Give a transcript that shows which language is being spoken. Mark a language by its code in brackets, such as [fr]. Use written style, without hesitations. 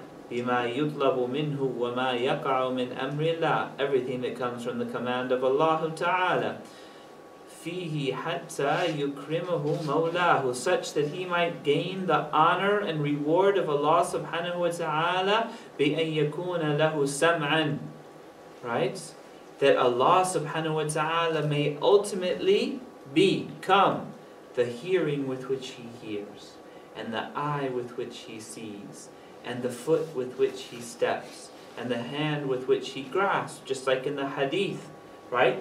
[ar] بِمَا يُطْلَبُ مِنْهُ وَمَا يَقَعُ مِنْ أَمْرِ اللَّهِ, [en] everything that comes from the command of Allah Ta'ala. [ar] فِيهِ حَتَّى يُكْرِمَهُ مَوْلَاهُ, [en] such that he might gain the honor and reward of Allah Subhanahu Wa Ta'ala. [ar] بِأَنْ يَكُونَ لَهُ سَمْعًا, [en] right? That Allah Subhanahu Wa Ta'ala may ultimately become the hearing with which he hears, and the eye with which he sees, and the foot with which he steps, and the hand with which he grasps, just like in the hadith, right?